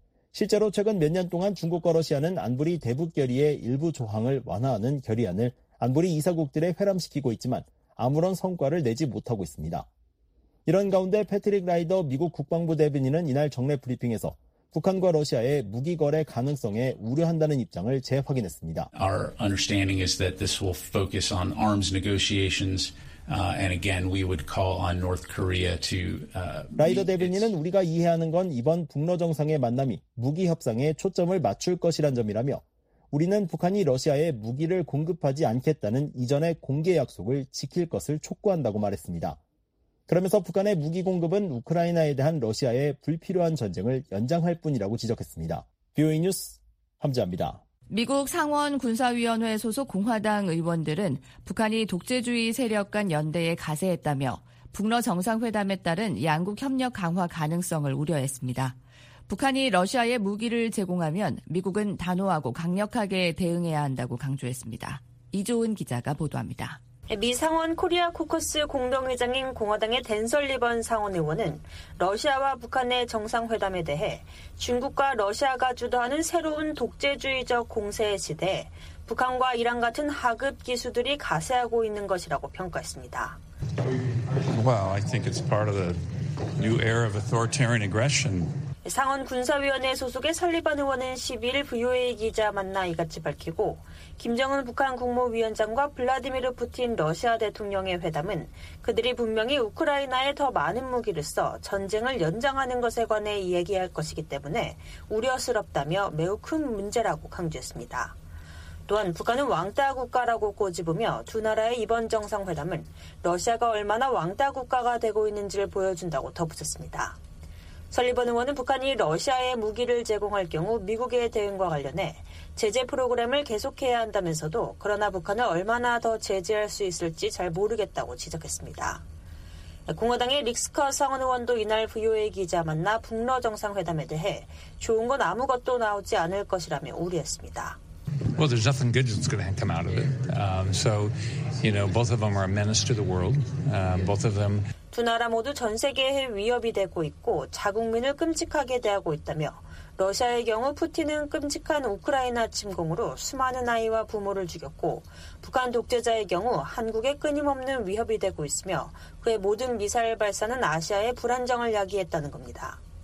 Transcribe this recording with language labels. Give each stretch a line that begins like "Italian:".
Korean: 실제로 최근 몇 년 동안 중국과 러시아는 안보리 대북결의의 일부 조항을 완화하는 결의안을 안보리 이사국들에 회람시키고 있지만 아무런 성과를 내지 못하고 있습니다. 이런 가운데 패트릭 라이더 미국 국방부 대변인은 이날 정례 브리핑에서 북한과 러시아의 무기 거래 가능성에 우려한다는 입장을 재확인했습니다.
English: Our understanding is that this will focus on arms negotiations. And again, we would call on North Korea to.
Korean: 라이더 대변인은 우리가 이해하는 건 이번 북러 정상의 만남이 무기 협상에 초점을 맞출 것이란 점이라며, 우리는 북한이 러시아에 무기를 공급하지 않겠다는 이전의 공개 약속을 지킬 것을 촉구한다고 말했습니다. 그러면서 북한의 무기 공급은 우크라이나에 대한 러시아의 불필요한 전쟁을 연장할 뿐이라고 지적했습니다. BOA 뉴스 함재합니다. 미국 상원 군사위원회 소속 공화당 의원들은 북한이 독재주의 세력 간 연대에 가세했다며 북러 정상회담에 따른 양국 협력 강화 가능성을 우려했습니다. 북한이 러시아에 무기를 제공하면 미국은 단호하고 강력하게 대응해야 한다고 강조했습니다. 이조은 기자가 보도합니다. 미 상원 코리아 코커스 공동회장인 공화당의 댄 설리번 상원 의원은 러시아와 북한의 정상회담에 대해 중국과 러시아가 주도하는 새로운 독재주의적 공세의 시대에 북한과 이란 같은 하급 기수들이 가세하고 있는 것이라고 평가했습니다.
English: Well, I think it's part of the new era of authoritarian aggression.
Korean: 상원 군사위원회 소속의 설리번 의원은 12일 VOA 기자 만나 이같이 밝히고 김정은 북한 국무위원장과 블라디미르 푸틴 러시아 대통령의 회담은 그들이 분명히 우크라이나에 더 많은 무기를 써 전쟁을 연장하는 것에 관해 이야기할 것이기 때문에 우려스럽다며 매우 큰 문제라고 강조했습니다. 또한 북한은 왕따 국가라고 꼬집으며 두 나라의 이번 정상회담은 러시아가 얼마나 왕따 국가가 되고 있는지를 보여준다고 덧붙였습니다. 설리번 의원은 북한이 러시아에 무기를 제공할 경우 미국의 대응과 관련해 제재 프로그램을 계속해야 한다면서도 그러나 북한을 얼마나 더 제재할 수 있을지 잘 모르겠다고 지적했습니다. 공화당의 릭스커 상원 의원도 이날 VOA 기자 만나 북러 정상회담에 대해 좋은 건 아무것도 나오지 않을 것이라며 우려했습니다.
English: Well, there's nothing good that's going to come out of it. So, you know, both of them are a menace to the world. Both of them.
Korean: 두 나라 모두 전 세계에 위협이 되고 있고 자국민을 끔찍하게 대하고 있다며 러시아의 경우 푸틴은 끔찍한 우크라이나 침공으로 수많은 아이와 부모를 죽였고 북한 독재자의 경우 한국에 끊임없는 위협이 되고 있으며 그의 모든 미사일 발사는 아시아의 불안정을 야기했다는 겁니다.